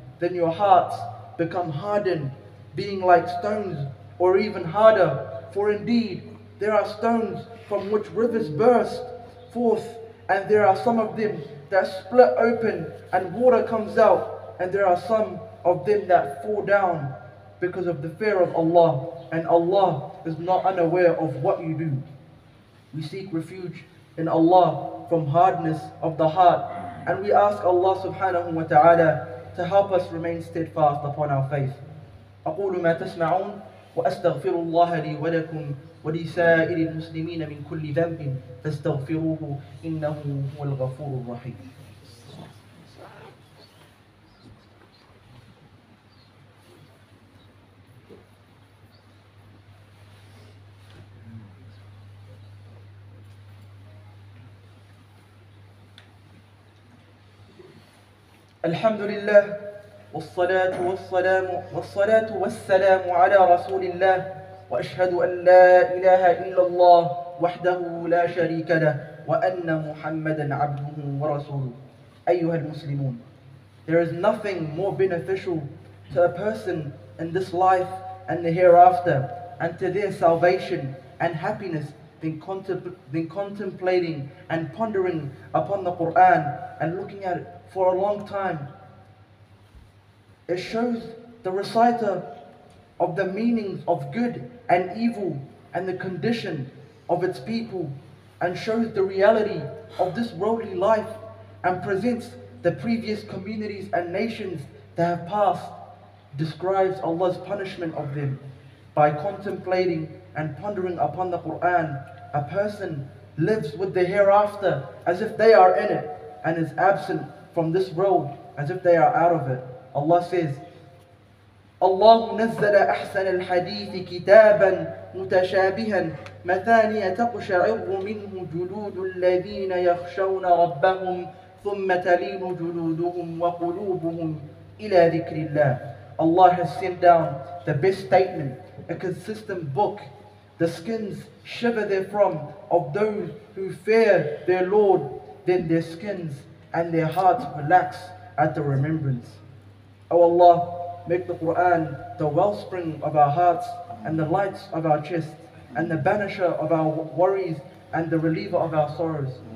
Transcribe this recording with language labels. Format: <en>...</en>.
<en>Then your hearts become hardened, being like stones, or even harder, for indeed there are stones from which rivers burst forth, and there are some of them that split open and water comes out, and there are some of them that fall down because of the fear of Allah, and Allah is not unaware of what you do. We seek refuge in Allah from hardness of the heart, and we ask Allah subhanahu wa ta'ala to help us remain steadfast upon our faith.</en> <ar>أقول ما تسمعون وأستغفر الله لي ولكم ولسائر المسلمين من كل ذنب فاستغفروه إنه هو الغفور الرحيم. الحمد لله والصلاة والسلام على رسول الله وأشهد أن لا إله إلا الله وحده لا شريك له وأن محمدا عبده ورسوله. أيها المسلمون,</ar> <en>there is nothing more beneficial to a person in this life and the hereafter and to their salvation and happiness than contemplating and pondering upon the Quran and looking at it for a long time. It shows the reciter of the meanings of good and evil and the condition of its people, and shows the reality of this worldly life, and presents the previous communities and nations that have passed, describes Allah's punishment of them. By contemplating and pondering upon the Quran, a person lives with the hereafter as if they are in it, and is absent from this world as if they are out of it. Allah says,</en> <ar>Allah نزل أحسن الحديث كتابا متشابها مثانية تقشعر منه جلود الذين يخشون ربهم ثم تلين جلودهم وقلوبهم إلى ذكر الله.</ar> <en>Allah has sent down the best statement, a consistent book. The skins shiver therefrom of those who fear their Lord, then their skins and their hearts relax at the remembrance. O Allah, make the Quran the wellspring of our hearts and the lights of our chest and the banisher of our worries and the reliever of our sorrows.</en>